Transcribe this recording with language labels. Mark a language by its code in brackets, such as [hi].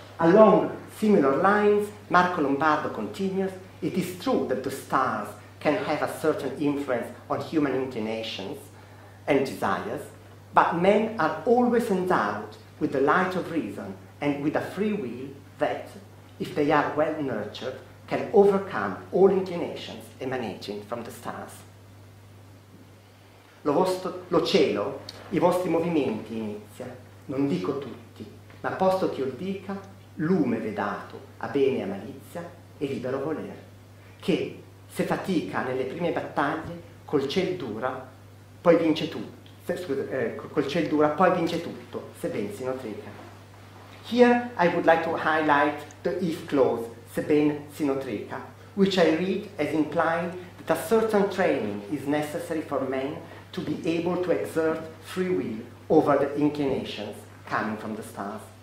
[en] Along similar lines, Marco Lombardo continues, it is true that the stars can have a certain influence on human inclinations and desires, but men are always endowed with the light of reason and with a free will that, if they are well nurtured, can overcome all inclinations emanating from the stars. [it] Lo cielo, i vostri movimenti inizia, non dico tutti, ma posto che io dica, lume vedato a bene e a malizia e libero voler, che, se fatica nelle prime battaglie, col ciel dura, poi vince tutto, se ben si notrica. [en] Here I would like to highlight the if clause, [it] se ben si notrica, [en] which I read as implying that a certain training is necessary for men to be able to exert free will over the inclinations coming from the stars.